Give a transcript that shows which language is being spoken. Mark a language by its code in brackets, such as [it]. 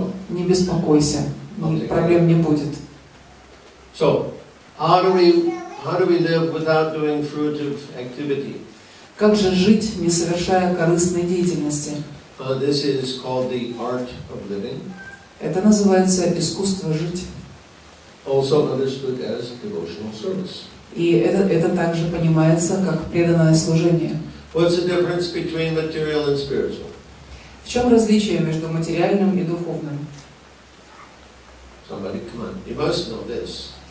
[ru] Не беспокойся, проблем не будет. [en] So, how do we How do we live without doing fruitive activity? [ru] Как же жить, не совершая корыстной деятельности? [en] This is called the art of living. [ru] Это называется искусство жить. [en] Also understood as devotional service. [ru] И это также понимается как преданное служение. [en] What's the difference between material and spiritual? [ru] В чем различие между материальным и духовным? [en] Somebody, come on, you must know this.